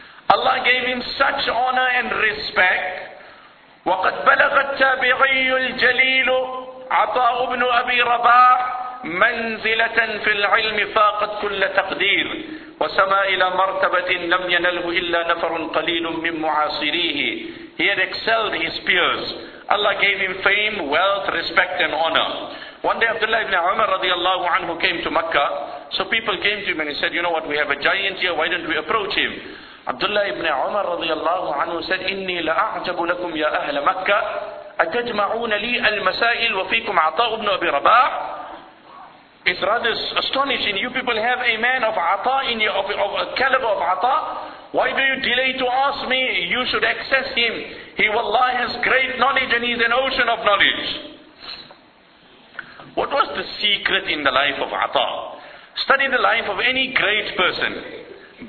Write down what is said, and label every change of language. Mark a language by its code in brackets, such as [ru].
[en] Allah gave him such honor and respect. [ar] وقد بلغ التابعي الجليل عطاء بن أبي رباح منزلة في العلم فاقت كل تقدير وسما إلى مرتبة لم ينله إلا نفر قليل من معاصريه. [en] He had excelled his peers. Allah gave him fame, wealth, respect and honor. One day Abdullah ibn Umar radiallahu anhu came to Mecca. So people came to him and he said, you know what, we have a giant here, why don't we approach him? Abdullah ibn Umar radiallahu anhu said, [ar] إِنِّي لَأَعْجَبُ لَكُمْ يَا أَهْلَ مَكَّةِ أَتَجْمَعُونَ لِي الْمَسَائِلِ وَفِيكُمْ عَطَاءُ بْنُ أَبِي رَبَاحٍ. [en] It's rather astonishing. You people have a man of عطاء, of a caliber of عطاء. Why do you delay to ask me? You should access him. He, wallah, has great knowledge and he's an ocean of knowledge. What was the secret in the life of عطاء? Study the life of any great person.